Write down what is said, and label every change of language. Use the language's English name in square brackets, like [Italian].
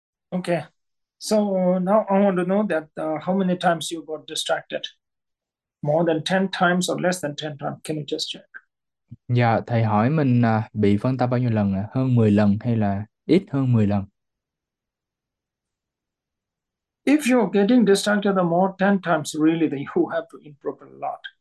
[English] Okay, so now I want to know that how many times you got distracted? More than 10 times or less than 10 times? Can you just check? [Vietnamese] Dạ, thầy hỏi mình bị phân tâm bao nhiêu lần ạ? Hơn 10 lần hay là ít hơn 10 lần? [English] If you're getting distracted the more 10 times, really, then you have to improve a lot.